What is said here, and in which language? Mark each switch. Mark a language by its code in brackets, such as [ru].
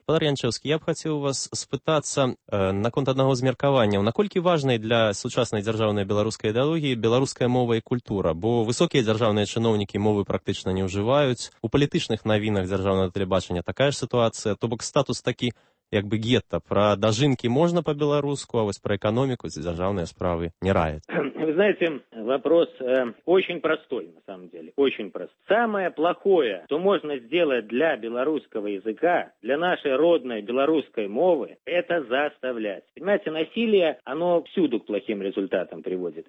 [ru] Господин Янчэўскі, я бы хотел вас спытаться на конт одного из меркований. [be] Насколько важной для сучасной державной беларускай ідэалогіі беларуская мова і культура, бо высокія дзяржаўныя чыноўнікі мовы практычна не ўжываюць. У палітычных навінах дзяржаўнага тэлебачання такая ж сітуацыя, то бок статус такі як бы гетта. Про дажынкі можна по-беларуску, а вось про эканоміку ці дзяржаўныя справы не раяць. [ru] Вы знаете, вопрос очень простой, на самом деле, очень прост. Самое плохое, что можно сделать для белорусского языка, для нашей родной белорусской мовы, это заставлять. Понимаете, насилие, оно всюду к плохим результатам приводит.